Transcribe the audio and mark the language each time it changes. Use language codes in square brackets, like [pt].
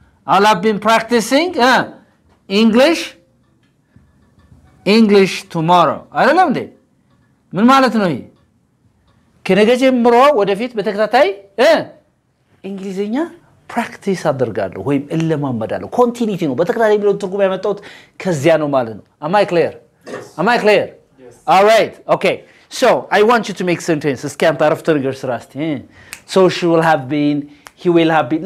[en] I'll have been practicing English tomorrow. [am] አይደለም እንዴ? ምን ማለት ነው ይሄ? ከነገ ጀምሮ ወደፊት በተከታታይ እንግሊዝኛ ፕራክቲስ አደርጋለሁ ወይም እለማመዳለሁ። ኮንቲኒቲ ነው በተከታታይ የሚለውን ትርጉም ያመጣሁት ከዚያ ነው ማለት ነው። አማይ ክሌር? [en] Yes. All right. Okay. So, I want you to make sentences. [am] ከአንተ አረፍተ ነገር ስራስቲ። [en] So she will have been, he will have been.